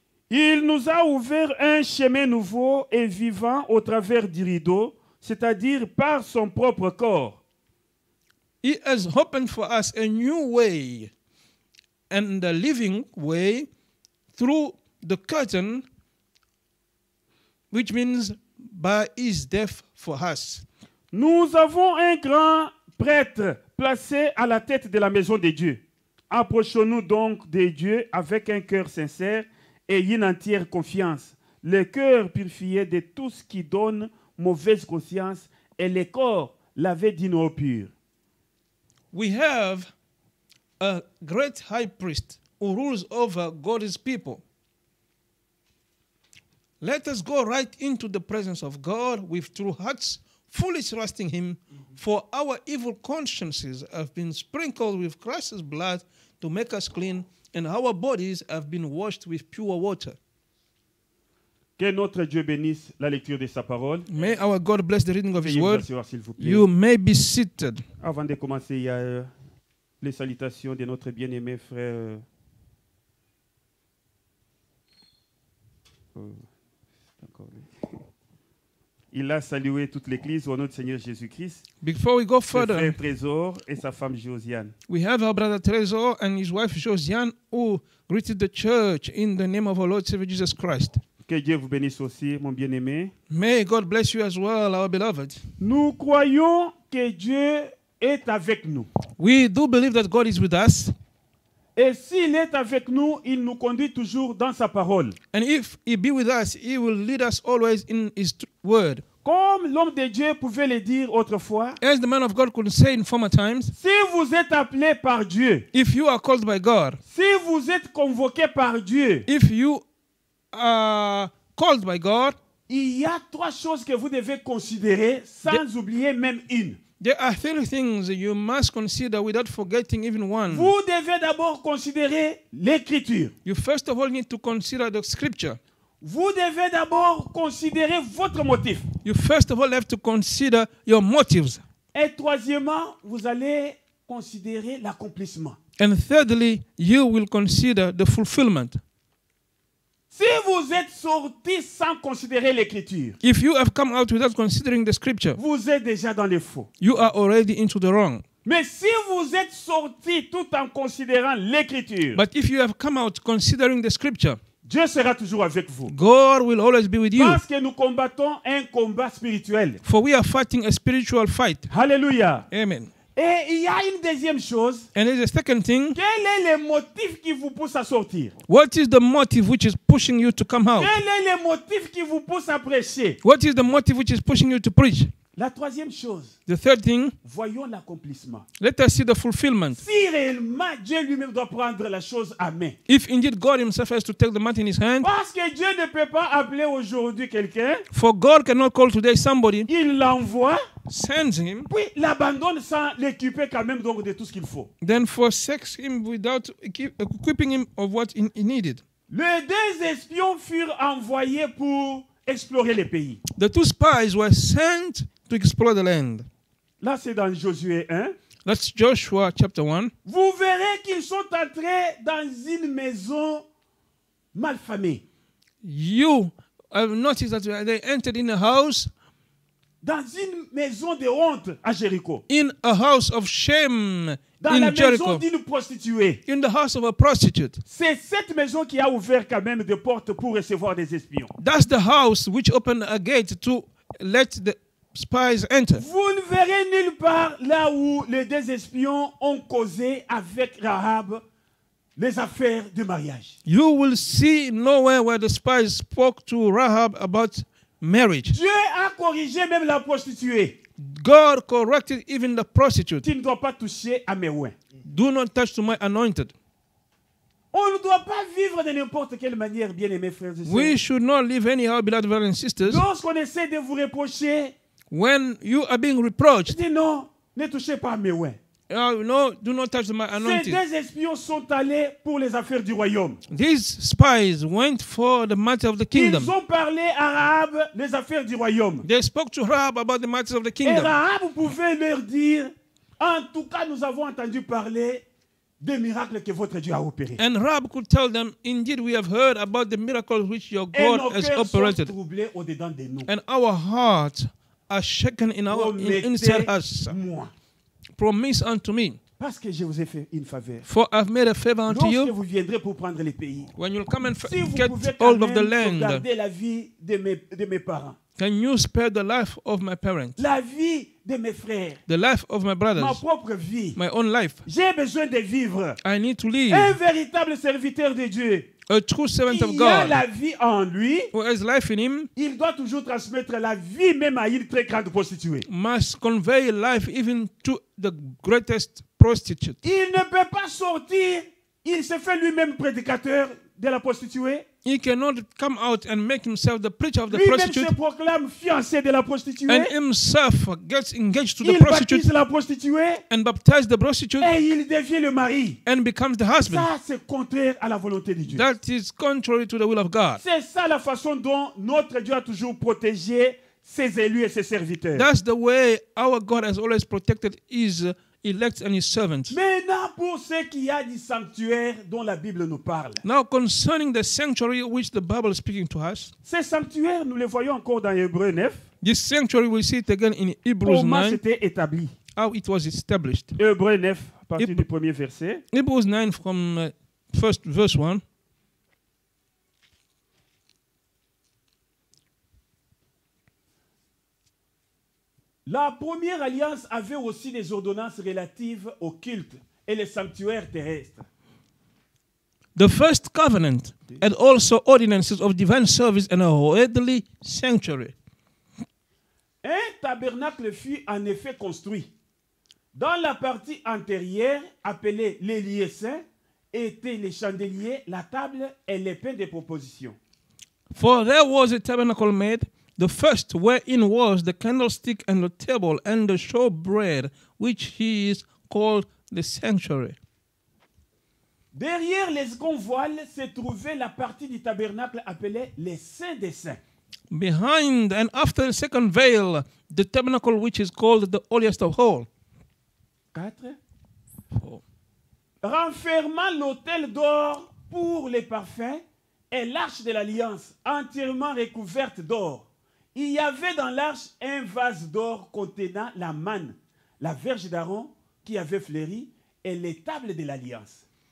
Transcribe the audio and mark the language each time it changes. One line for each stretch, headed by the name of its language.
French: Il nous a ouvert un chemin nouveau et vivant au travers du rideau, c'est-à-dire par son propre corps.
English: He has opened for us a new way and a living way through the curtain, which means by his death for us.
French: Nous avons un grand prêtre placé à la tête de la maison de Dieu. Approchons-nous donc de Dieu avec un cœur sincère et une entière confiance. Le cœur purifié de tout ce qui donne mauvaise conscience et le corps lavé d'une eau pure.
English: We have a great high priest who rules over God's people. Let us go right into the presence of God with true hearts, fully trusting him, for our evil consciences have been sprinkled with Christ's blood to make us clean, and our bodies have been washed with pure water.
French: Que notre Dieu bénisse la lecture de sa parole.
English: May our God bless the reading of his word.
French: S'il vous plaît.
English: You may be seated.
French: Avant de commencer, il y a les salutations de notre bien-aimé frère. Il a salué toute l'église au nom du Seigneur Jésus-Christ.
English: Before we go further,
French: frère Trésor et sa femme Josiane.
English: We have our brother Trésor and his wife Josiane who greeted the church in the name of our Lord Savior Jesus Christ.
French: Que Dieu vous bénisse aussi, mon bien-aimé.
English: May God bless you as well, our beloved.
French: Nous croyons que Dieu est avec nous.
English: We do believe that God is with us.
French: Et s'il est avec nous, il nous conduit toujours dans sa parole.
English: And if he be with us, he will lead us always in his word.
French: Comme l'homme de Dieu pouvait le dire autrefois,
English: as the man of God could say in former times,
French: si vous êtes appelé par Dieu,
English: if you are called by God,
French: si vous êtes convoqué par Dieu,
English: if you are called by God,
French: il y a trois choses que vous devez considérer sans oublier même une.
English: There are three things you must consider without forgetting even one.
French: Vous devez d'abord considérer l'écriture.
English: You first of all need to consider the scripture.
French: Vous devez d'abord considérer votre motif.
English: You first of all have to consider your motives.
French: Et troisièmement, vous allez considérer l'accomplissement.
English: And thirdly, you will consider the fulfillment.
French: Si vous êtes sorti sans considérer l'écriture,
English: if you have come out without considering the scripture,
French: vous êtes déjà dans les faux.
English: You are already into the wrong.
French: Mais si vous êtes sorti tout en considérant l'écriture,
English: but if you have come out considering the scripture,
French: Dieu sera toujours avec vous.
English: God will always be with you.
French: Parce que nous combattons un combat spirituel.
English: For we are fighting a spiritual fight. Hallelujah. Amen.
French: Et il y a une deuxième chose.
English: And there's a second thing.
French: Quel est le motif qui vous pousse à sortir?
English: What is the motive which is pushing you to come out?
French: Quel est le motif qui vous pousse à prêcher?
English: What is the motive which is pushing you to preach?
French: La troisième chose.
English: The third thing.
French: Voyons l'accomplissement.
English: Let us see the fulfillment.
French: Si réellement Dieu lui-même doit prendre la chose à main.
English: If indeed God himself has to take the matter in his hand.
French: Parce que Dieu ne peut pas appeler aujourd'hui quelqu'un.
English: For God cannot call today somebody.
French: Il l'envoie.
English: Sends him.
French: Puis l'abandonne sans l'équiper quand même donc de tout ce qu'il faut.
English: Then forsakes him without equipping him of what he needed.
French: Les deux espions furent envoyés pour explorer les pays.
English: The two spies were sent to explore the land.
French: Là, c'est dans Josué 1.
English: That's Joshua chapter 1.
French: Vous verrez qu'ils sont entrés dans une maison malfamée.
English: You have noticed that they entered in a house.
French: Dans une maison de honte à Jéricho.
English: In a house of shame
French: dans
English: in Jericho.
French: Dans la maison d'une prostituée.
English: In the house of a prostitute.
French: C'est cette maison qui a ouvert quand même des portes pour recevoir des espions.
English: That's the house which opened a gate to let the spies enter.
French: Vous ne verrez nulle part là où les deux espions ont causé avec Rahab les affaires de mariage.
English: You will see nowhere where the spies spoke to Rahab about marriage.
French: Dieu a corrigé même la prostituée.
English: God corrected even the prostitute.
French: Tu ne dois pas toucher à mes oints.
English: Do not touch to my anointed.
French: On ne doit pas vivre de n'importe quelle manière, bien-aimés frères et sœurs.
English: We should not live anyhow, beloved brothers and sisters.
French: Lorsqu'on essaie de vous reprocher,
English: when you are being reproached,
French: dis non, ne touchez pas à mes oints.
English: No, do not touch my anointing.
French: Ces deux espions sont allés pour les affaires du royaume.
English: These spies went for the matter of the kingdom.
French: Ils ont parlé à Rahab les affaires du royaume.
English: They spoke to Rahab about the matters of the kingdom.
French: Et Rahab pouvait leur dire, en tout cas, nous avons entendu parler des miracles que votre Dieu a opérés.
English: And Rahab could tell them, indeed we have heard about the miracles which your God has operated.
French: Et nos cœurs sont troublés au-dedans de nous.
English: And our hearts are shaken in our inside us.
French: Moi.
English: Promise unto me.
French: Parce que je vous ai fait une faveur.
English: For I've made a favor unto
French: lorsque
English: you.
French: Lorsque vous viendrez pour prendre les pays.
English: When you'll come and
French: si vous
English: get hold of the land.
French: Garder la vie de mes parents.
English: Can you spare the life of my parents?
French: La vie de mes frères.
English: The life of my brothers.
French: Ma propre vie.
English: My own life.
French: J'ai besoin de vivre.
English: I need to live.
French: Un véritable serviteur de Dieu.
English: A true servant of God.
French: Il a la vie en lui.
English: Who has life in him.
French: Il doit toujours transmettre la vie même à une très grande prostituée.
English: Must convey life even to the greatest prostitute.
French: Il ne peut pas sortir. Il se fait lui-même prédicateur de la prostituée.
English: He cannot come out and make himself the preacher of the
French: lui
English: prostitute.
French: Lui-même se proclame fiancé de la prostituée.
English: And himself gets engaged to
French: il
English: the prostitute.
French: Il baptise la prostituée.
English: And baptize the prostitute.
French: Et il devient le mari.
English: And becomes the husband.
French: Ça, c'est contraire à la volonté de Dieu.
English: That is contrary to the will of God.
French: C'est ça la façon dont notre Dieu a toujours protégé ses élus et ses serviteurs.
English: That's the way our God has always protected his elect and his servant.
French: Maintenant, pour ce qu'il y a du sanctuaire dont la Bible nous parle.
English: Now concerning the sanctuary which the Bible is speaking to us.
French: Ce sanctuaire, nous le voyons encore dans Hébreux 9.
English: This sanctuary we see it again in Hebrews 9.
French: Comment c'était établi?
English: How it was established?
French: Hébreux 9, à partir du premier verset.
English: Hebrews 9 from first verse 1.
French: La première alliance avait aussi des ordonnances relatives au culte et les sanctuaires terrestres.
English: The first covenant had also ordinances of divine service and a heavenly sanctuary.
French: Un tabernacle fut en effet construit. Dans la partie antérieure, appelée les lieux saints, étaient les chandeliers, la table et les pains de proposition.
English: For there was a tabernacle made. The first wherein was the candlestick and the table and the showbread, which he is called the sanctuary.
French: Derrière les grands voiles se trouvait la partie du tabernacle appelée les saints des saints.
English: Behind and after the second veil, the tabernacle which is called the holiest of all.
French: Quatre. Four. Renfermant l'autel d'or pour les parfums et l'arche de l'alliance entièrement recouverte d'or. Il y avait dans l'arche un vase d'or contenant la manne, la verge d'Aaron qui avait fleuri et les tables de l'alliance.